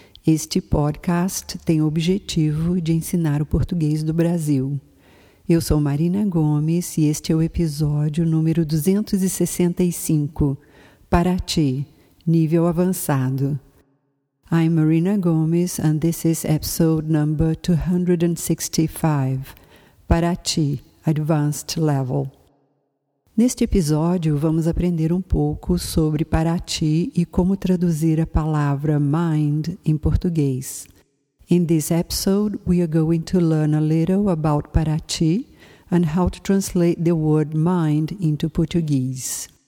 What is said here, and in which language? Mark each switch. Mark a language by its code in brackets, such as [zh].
[pt] Este podcast tem o objetivo de ensinar o português do Brasil. Eu sou Marina Gomes e este é o episódio número 265, Paraty, nível avançado. [en] I'm Marina Gomes and this is episode number 265, Paraty, Advanced Level. [pt] Neste episódio, vamos aprender um pouco sobre Paraty e como traduzir a palavra mind em português. [en] In this episode, we are going to learn a little about Paraty and how to translate the word mind into Portuguese.